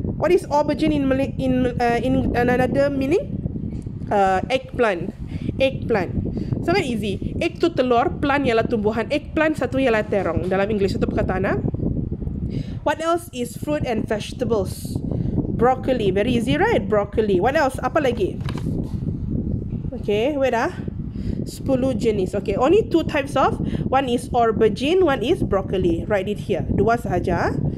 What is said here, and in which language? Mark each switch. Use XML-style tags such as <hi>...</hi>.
<en>What is aubergine in another meaning? Eggplant. Eggplant.</en> <ms>Sangat</ms> <en>easy.</en> <ms>Egg tu telur, plant ialah tumbuhan. Eggplant satu ialah terong. Dalam English satu perkataan. Ha?</ms> <en>What else is fruit and vegetables? Broccoli. Very easy, right? Broccoli. What else?</en> <ms>Apa lagi?</ms> <en>Okay, wait ah.</en> <ms>10 jenis.</ms> <en>Okay, only two types of. One is aubergine, one is broccoli. Write it here.</en> <ms>Dua sahaja.</ms>